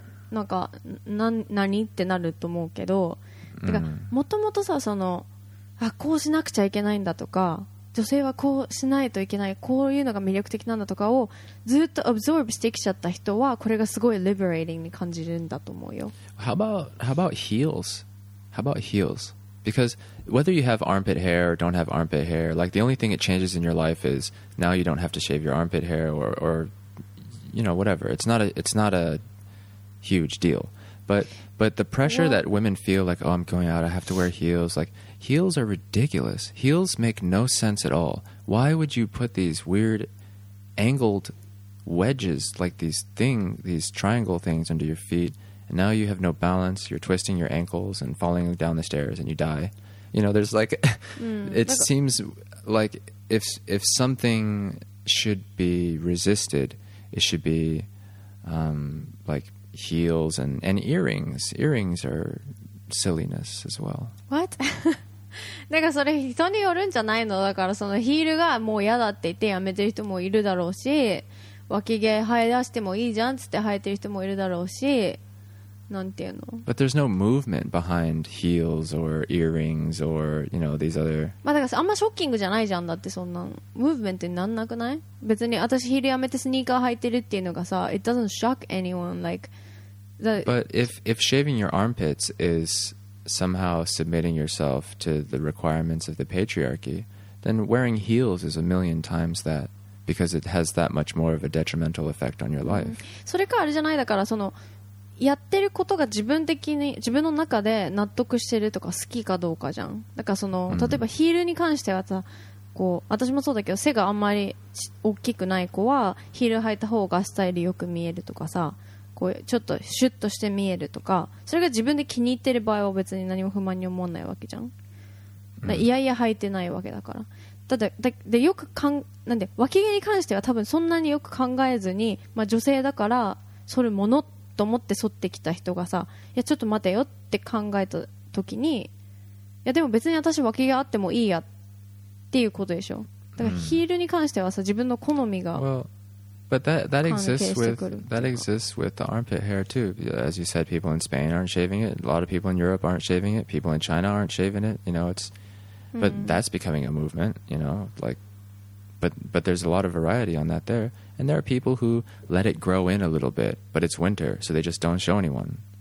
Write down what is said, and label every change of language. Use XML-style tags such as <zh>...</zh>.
<ja>なんか何ってなると思うけど、てかもともとさ、そのあこうしなくちゃいけないんだとか、女性はこうしないといけない、こういうのが魅力的なんだとかをずっとアブソーブしてきちゃった人は、これがすごいリベレーティングに感じるんだと思うよ。</ja> <en>How about heels? Because whether you have armpit hair or don't have armpit hair, like the only thing it changes in your life is now you don't have to shave your armpit hair or you know whatever. It's not a huge deal, but the pressure that women feel like, oh, I'm going out, I have to wear heels. Like, heels are ridiculous. Heels make no sense at all. Why would you put these weird angled wedges, like these triangle things under your feet, and now you have no balance, you're twisting your ankles and falling down the stairs and you die, you know? There's like it seems like if something should be resisted, it should be like heels and earrings are silliness as well. What?</en> <ja>なんかそれ人によるんじゃないの？だからそのヒールがもう嫌だって言ってやめてる人もいるだろうし、脇毛生え出してもいいじゃんって生えてる人もいるだろうし、なんていうの？</ja> <en>But there's no movement behind heels or earrings or, you know, these other.</en> <ja>まあだからあんまショッキングじゃないじゃん、だってそんなムーブメントになんなくない？別に私ヒールやめてスニーカー履いてるっていうのがさ、</ja> <en>it doesn't shock anyone like that. But if shaving your armpits is somehow submitting yourself to the requirements of the patriarchy, then wearing heels is a million times that, because it has that much more of a detrimental effect on your life.</en> <ja>それかあれじゃない、だからそのやってることが自分の中で納得してるとか好きかどうかじゃん。だからその例えばヒールに関してはさ、こう私もそうだけど、背があんまり大きくない子はヒール履いた方がスタイルよく見えるとかさ、こうちょっとシュッとして見えるとか、それが自分で気に入ってる場合は別に何も不満に思わないわけじゃん。だからいやいや履いてないわけだから、ただでよくなんで脇毛に関しては多分そんなによく考えずに、まあ、女性だから剃るものってと思って剃ってきた人がさ、いやちょっと待てよって考えた時に、いやでも別に私脇があってもいいやっていうことでしょ。だからヒールに関してはさ、自分の好みが関係してくる。</ja> <en>That exists with the armpit hair too. As you said, people in Spain aren't shaving it. A lot of people in Europe aren't shaving it. People in China aren't shaving it. You know, but that's becoming a movement, you know, like, but there's a lot of variety on that there. And there are people who let it grow in a little bit, but it's winter, so they just don't show anyone.</en>